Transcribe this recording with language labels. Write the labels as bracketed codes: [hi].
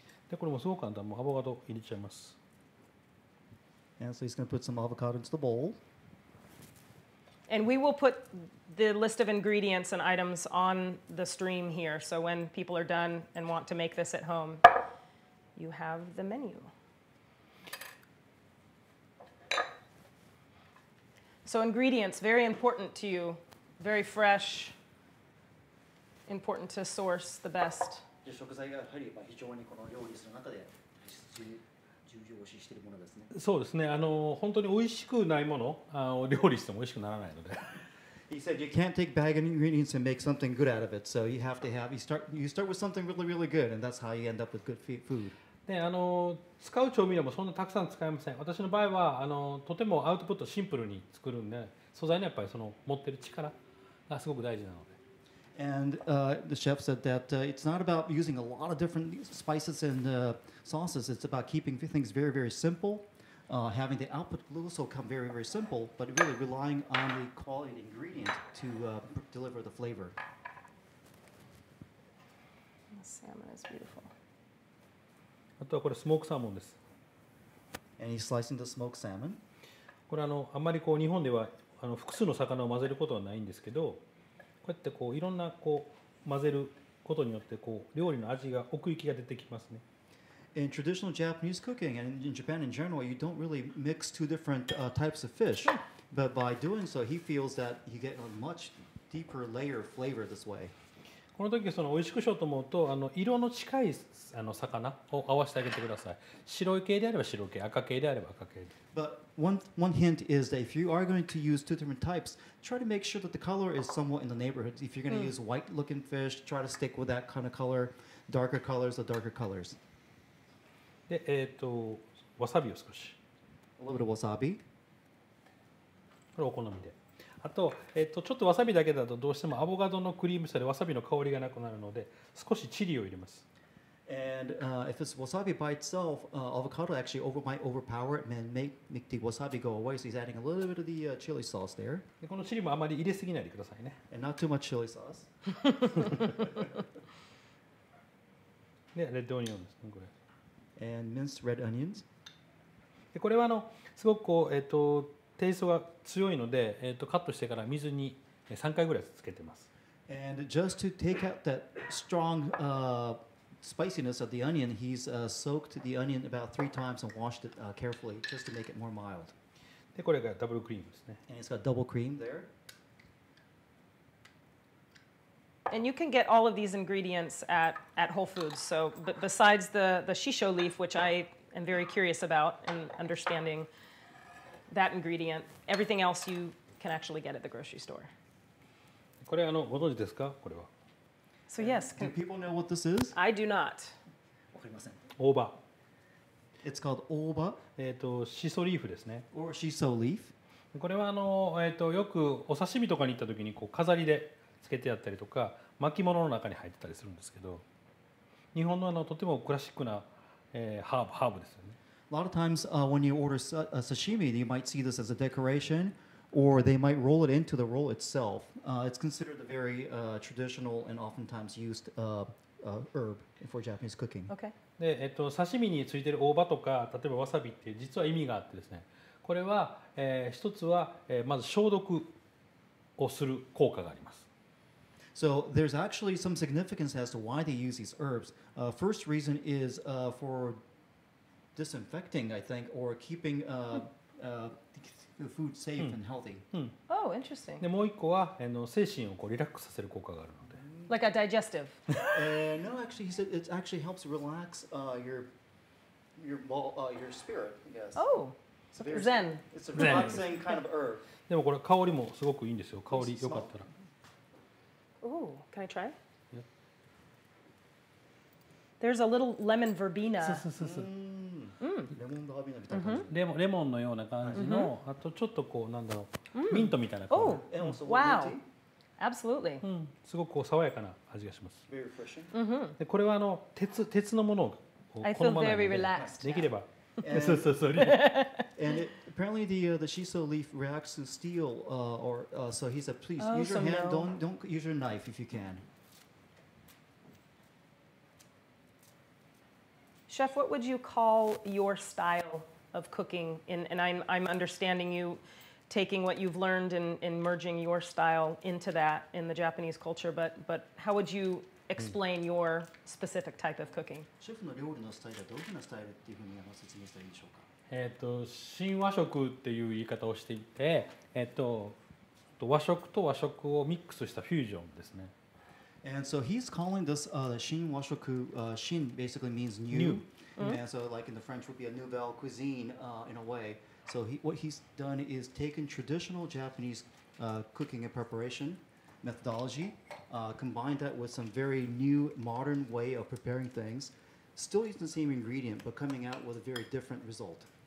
[ja] で、これもすごく簡単。もうアボカド入れちゃいます。 [en] And so he's going to put some avocado into the bowl. And we will put the list of ingredients and items on the stream here. So when people are done and want to make this at home, you have the menu. So ingredients, very important to you, very fresh, important to source the best. [ja] 食材がやはり非常にこの料理する中で重要視しているものですね。そうですね。本当に美味しくないものを料理しても美味しくならないので。 [en] He said you can't take bag ingredients and make something good out of it. So you have to have, you start with something really, really good and that's how you end up with good food. [ja] 使う調味料もそんなにたくさん使えません。私の場合はとてもアウトプットシンプルに作るんで、素材にやっぱりその持ってる力がすごく大事なので。 [en] And the chef said that it's not about using a lot of different spices and sauces. It's about keeping things very, very simple. Having the output also come very, very simple, but really relying on the quality ingredient to deliver the flavor. The salmon is beautiful. [ja] あとはこれスモークサーモンです。 [en] And he's slicing the smoked salmon. [ja] これあんまりこう日本では複数の魚を混ぜることはないんですけど、こうやってこういろんなこう混ぜることによってこう料理の味が奥行きが出てきますね。 [en] In traditional Japanese cooking and in Japan in general, you don't really mix two different types of fish. But by doing so, he feels that you get a much deeper layer of flavor this way. [ja] この時その美味しくしようと思うと色の近い魚を合わせてあげてください。白い系であれば白系、赤系であれば赤系。 [en] But one hint is that if you are going to use two different types, try to make sure that the color is somewhat in the neighborhood. If you're going to use white looking fish, try to stick with that kind of color. Darker colors are darker colors. [ja] で、わさびを少し。 [en] A little bit of wasabi. [ja] これお好みで。あと、ちょっとわさびだけだとどうしてもアボカドのクリームさでわさびの香りがなくなるので少しチリを入れます。 [en] And if it's wasabi by itself, avocado actually might overpower it and make the wasabi go away. So he's adding a little bit of the chili sauce there. [ja] このチリもあまり入れすぎないでくださいね。 [en] And not too much chili sauce. [ja] で、レッドオニオンですね、これ。 [en] And minced red onions. [ja] これはすごくこう、テイストが強いので、カットしてから水に3回ぐらいつけてます。 [en] And just to take out that strong, spiciness of the onion, he's, soaked the onion about three times and washed it, carefully just to make it more mild. [ja] で、これがダブルクリームですね。 [en] And it's got double cream there. And you can get all of these ingredients at Whole Foods. So besides the shisho leaf, which I am very curious about and understanding that ingredient, everything else you can actually get at the grocery store. [ja] これあのご存知ですか？これは。 [en] So yes. Do people know what this is? I do not. [ja] わかりません。大葉。 [en] It's called 大葉。 [ja] シソリーフですね。 [en] Or shiso leaf. [ja] これはあのよくお刺身とかに行った時にこう飾りで。つけてあったりとか巻物の中に入ってたりするんですけど、日本のあのとてもクラシックな、ハーブですよね。 [en] A lot of times, when you order a sashimi, you might see this as a decoration, or they might roll it into the roll itself. It's considered a very, traditional and oftentimes used, herb for Japanese cooking. Okay. [ja] で、刺身についてる大葉とか例えばわさびって実は意味があってですね。これは、一つは、まず消毒をする効果があります。 [en] So there's actually some significance as to why they use these herbs. First reason is, for disinfecting, I think, or keeping, the food safe and healthy. Oh, interesting. [ja] でもう一個は、精神をこうリラックスさせる効果があるので。 [en] Like a digestive. No, actually, he said it actually helps relax, your spirit. Yes. Oh, Zen. It's a relaxing kind of herb. [ja] でもこれ香りもすごくいいんですよ。香りよかったら。 [en] Ooh, can I try? Yeah. There's a little lemon verbena. [ja] そうそうそうそう。 Lemon verbena みたいな感じ。レモンのような感じの、あとちょっとこうなんだろう、ミントみたいな感じ。 [en] Oh, wow. Absolutely. [ja] すごくこう爽やかな味がします。 [en] Very refreshing. [ja] で、これはあの鉄のものを好まないので。 [en] I feel very relaxed. [ja] できれば。そうそうそう。 [en] And apparently the shiso leaf reacts to steel, so he said, please use your hand, don't use your knife if you can. Chef, what would you call your style of cooking? And I'm understanding you taking what you've learned and merging your style into that in the Japanese culture, but how would you explain your specific type of cooking? [ja] Chef の料理のスタイルはどういうスタイルっていうふうに説明したらいいでしょうか？新和食っていう言い方をしていて、和食と和食をミックスしたフュージョンですね。 [en] And so he's calling this, Shin Washoku. Shin basically means new. And so like in the French would be a nouvelle cuisine, in a way. So what he's done is taken traditional Japanese, cooking and preparation methodology, combined that with some very new modern way of preparing things, still using the same ingredient, but coming out with a very different result.